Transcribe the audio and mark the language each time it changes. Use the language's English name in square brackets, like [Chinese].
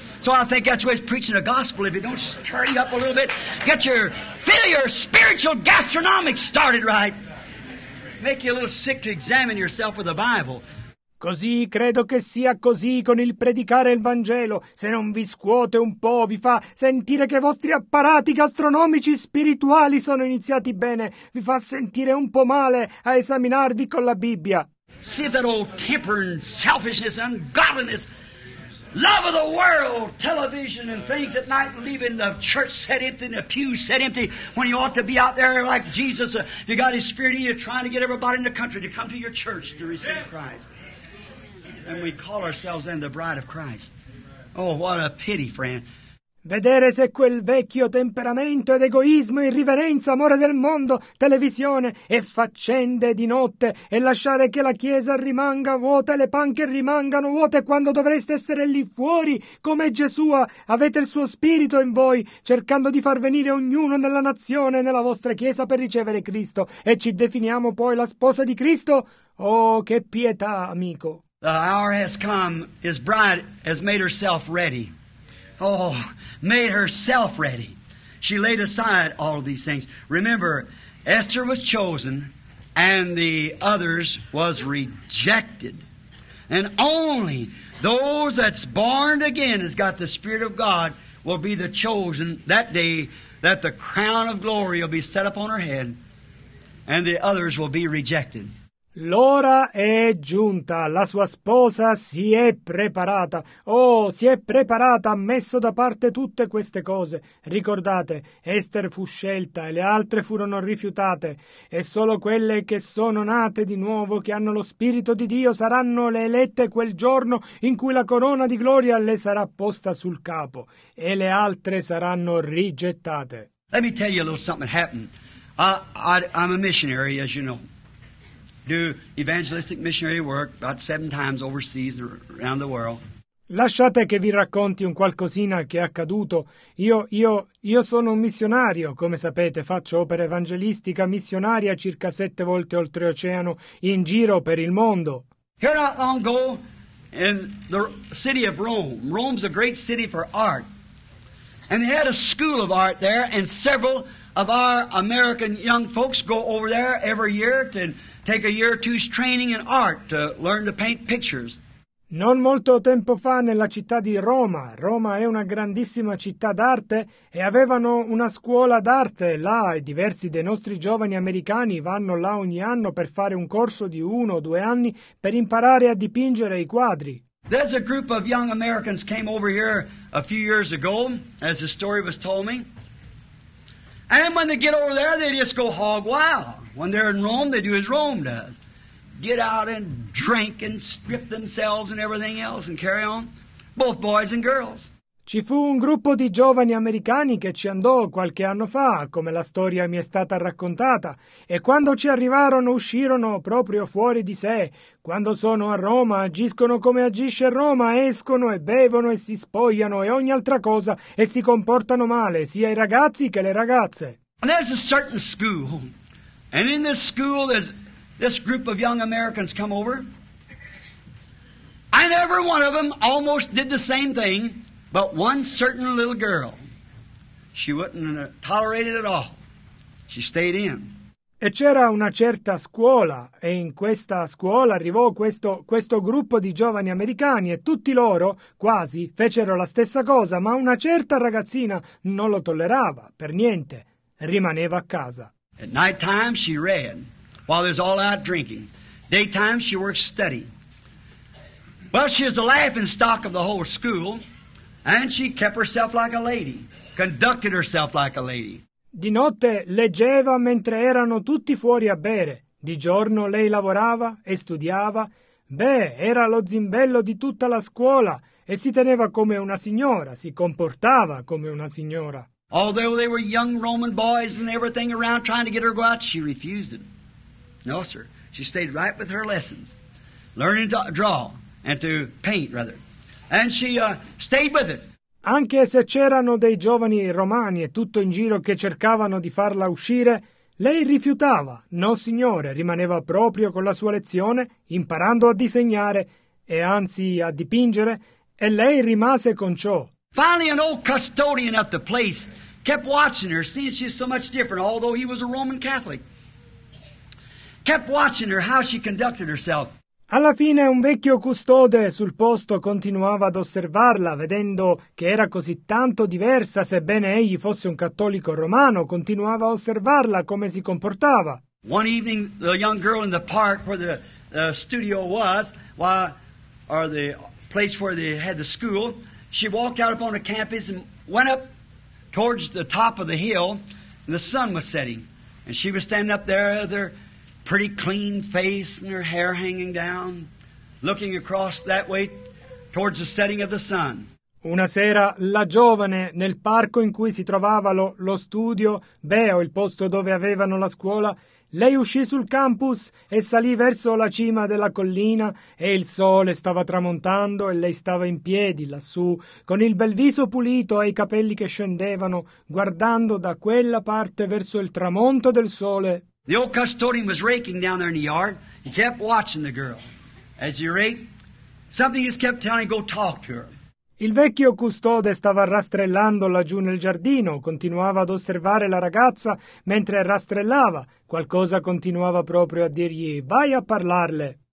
[English] So I think that's why he's preaching the gospel. If it don't stir you up a little bit, get your fill your spiritual gastronomic started right. Make you a little sick to examine yourself with the Bible. [Italian] Così credo che sia così con il predicare il Vangelo. Se non vi scuote un po', vi fa sentire che i vostri apparati gastronomici spirituali sono iniziati bene. Vi fa sentire un po' male a esaminarvi con la Bibbia. [English] See that old temper and selfishness and ungodliness. Love of the world, television and things at night, leaving the church set empty and the pews set empty when you ought to be out there like Jesus. You got his spirit in you trying to get everybody in the country to come to your church to receive Christ. And we call ourselves then the bride of Christ. Oh, what a pity, friend. [Italian] Vedere se quel vecchio temperamento ed egoismo, irriverenza, amore del mondo, televisione e faccende di notte e lasciare che la chiesa rimanga vuota e le panche rimangano vuote quando dovreste essere lì fuori come Gesù, avete il suo spirito in voi cercando di far venire ognuno nella nazione nella vostra chiesa per ricevere Cristo e ci definiamo poi la sposa di Cristo? Oh, che pietà, amico! [English] The hour has come, his bride has made herself ready. Oh, made herself ready. She laid aside all of these things. Remember, Esther was chosen and the others was rejected. And only those that's born again has got the Spirit of God will be the chosen that day that the crown of glory will be set upon her head and the others will be rejected. [Italian] L'ora è giunta, la sua sposa si è preparata. Oh, si è preparata, ha messo da parte tutte queste cose. Ricordate, Esther fu scelta e le altre furono rifiutate. E solo quelle che sono nate di nuovo, che hanno lo Spirito di Dio, saranno le elette quel giorno in cui la corona di gloria le sarà posta sul capo. E le altre saranno rigettate. [English] Let me tell you a little something happened. I'm a missionary, as you know. Do evangelistic missionary work about 7 times overseas around the world. [Italian] Lasciate che vi racconti un qualcosina che è accaduto. Io sono un missionario, come sapete, faccio opera evangelistica missionaria circa 7 volte oltreoceano in giro per il mondo. [English] Here not long ago in the city of Rome. Rome's a great city for art. And they had a school of art there and several of our American young folks go over there every year to take a year or two's training in art to learn to paint pictures. [Italian] Non molto tempo fa nella città di Roma, Roma è una grandissima città d'arte e avevano una scuola d'arte là e diversi dei nostri giovani americani vanno là ogni anno per fare un corso di 1 o 2 anni per imparare a dipingere i quadri. [English] There's a group of young Americans came over here a few years ago, as the story was told me. And when they get over there, they just go hog wild. When they're in Rome, they do as Rome does. Get out and drink and strip themselves and everything else and carry on. Both boys and girls. [Italian] Ci fu un gruppo di giovani americani che ci andò qualche anno fa, come la storia mi è stata raccontata, e quando ci arrivarono uscirono proprio fuori di sé. Quando sono a Roma, agiscono come agisce Roma, escono e bevono e si spogliano e ogni altra cosa e si comportano male, sia i ragazzi che le ragazze. [English] And there's a certain school, and in this school there's this group of young Americans come over, and every one of them almost did the same thing. But one certain little girl, she wouldn't tolerate it at all. She stayed in. [Italian] E c'era una certa scuola, e in questa scuola arrivò questo gruppo di giovani americani, e tutti loro, quasi, fecero la stessa cosa, ma una certa ragazzina non lo tollerava, per niente. Rimaneva a casa. [English] At night time she read, while there's all out drinking. Daytime she worked study. Well, she is the laughing stock of the whole school. And she kept herself like a lady, conducted herself like a lady. [Italian] Di notte leggeva mentre erano tutti fuori a bere. Di giorno lei lavorava e studiava. Beh, era lo zimbello di tutta la scuola e si teneva come una signora, si comportava come una signora. [English] Although they were young Roman boys and everything around trying to get her to go out, she refused it. No, sir. She stayed right with her lessons, learning to draw and to paint, rather. And she stayed with it. [Italian] Anche se c'erano dei giovani romani e tutto in giro che cercavano di farla uscire, lei rifiutava. No, signore, rimaneva proprio con la sua lezione, imparando a disegnare e anzi a dipingere, e lei rimase con ciò. [English] Finally, an old custodian at the place kept watching her, seeing she's so much different, although he was a Roman Catholic. Kept watching her how she conducted herself. [Italian] Alla fine un vecchio custode sul posto continuava ad osservarla, vedendo che era così tanto diversa, sebbene egli fosse un cattolico romano, continuava a osservarla come si comportava. [English] One evening, the young girl in the park where the studio was, or the place where they had the school, she walked out upon the campus and went up towards the top of the hill, and the sun was setting, and she was standing up there. Pretty clean face and her hair hanging down, looking across that way towards the setting of the sun. [Italian] Una sera la giovane nel parco in cui si trovava lo studio, o il posto dove avevano la scuola, lei uscì sul campus e salì verso la cima della collina e il sole stava tramontando e lei stava in piedi lassù, con il bel viso pulito e i capelli che scendevano, guardando da quella parte verso il tramonto del sole. [English] The old custodian was raking down there in the yard. He kept watching the girl. As he raked, something just kept telling him, go talk to her. [Italian] Il vecchio custode stava rastrellando laggiù nel giardino. Continuava ad osservare la ragazza mentre rastrellava. Qualcosa continuava proprio a dirgli, vai a parlarle.